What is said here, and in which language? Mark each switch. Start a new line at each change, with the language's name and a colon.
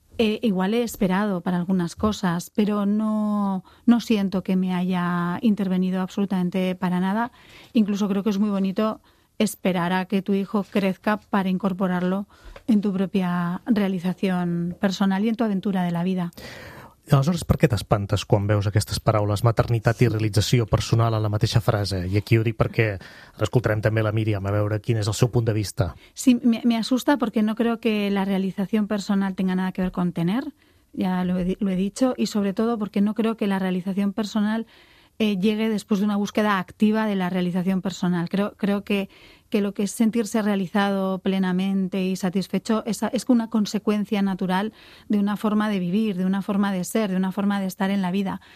Spanish: igual he esperado para algunas cosas, pero no siento que me haya intervenido absolutamente para nada. Incluso creo que es muy bonito esperar a que tu hijo crezca para incorporarlo en tu propia realización personal y en tu aventura de la vida.
Catalan: I aleshores, per què t'espantes quan veus aquestes paraules maternitat i realització personal en la mateixa frase? I aquí ho dic perquè escoltarem també la Míriam a veure quin és el seu punt de vista.
Spanish: Sí, me asusta porque no creo que la realización personal tenga nada que ver con tener, ya lo he dicho, y sobre todo porque no creo que la realización personal llegue después de una búsqueda activa de la realización personal. Creo que lo que es sentirse realizado plenamente y satisfecho es una consecuencia natural de una forma de vivir, de una forma de ser, de una forma de estar en la vida.